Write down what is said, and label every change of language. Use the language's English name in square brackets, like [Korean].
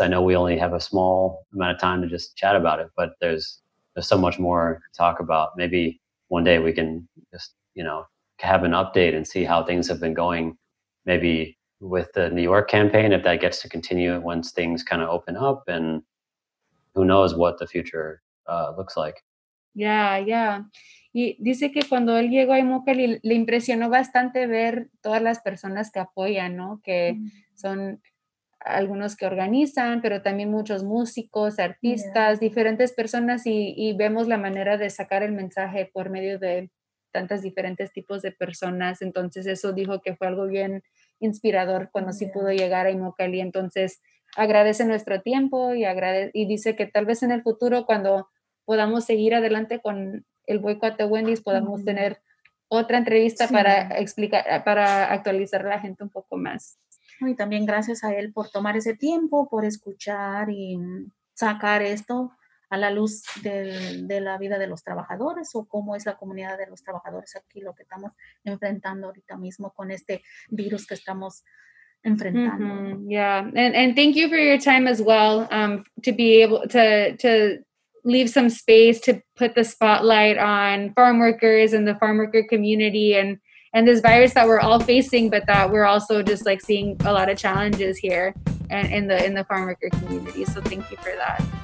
[English] I know we only have a small amount of time to just chat about it, but there's so much more to talk about. Maybe one day we can just, have an update and see how things have been going, maybe with the New York campaign, if that gets to continue once things kind of open up, and who knows what the future looks like. Yeah, yeah. [Spanish] Y dice que cuando él llegó a Immokalee le impresionó bastante ver todas las personas que apoyan, ¿no? Que son algunos que organizan, pero también muchos músicos, artistas, diferentes personas, y vemos la manera de sacar el mensaje por medio de tantos diferentes tipos de personas. Entonces eso dijo que fue algo bien inspirador cuando sí pudo llegar a Immokalee. Entonces agradece nuestro tiempo y dice que tal vez en el futuro, cuando podamos seguir adelante con el boicot de Wendy's, podamos tener otra entrevista para actualizar a la gente un poco más. Y también gracias a él por tomar ese tiempo, por escuchar y sacar esto a la luz de la vida de los trabajadores o cómo es la comunidad de los trabajadores aquí, lo que estamos enfrentando ahorita mismo con este virus que estamos enfrentando. Mm-hmm. [English] Yeah, and thank you for your time as well, to be able to leave some space to put the spotlight on farm workers and the farm worker community and this virus that we're all facing, but that we're also just like seeing a lot of challenges here and in the farm worker community. So thank you for that.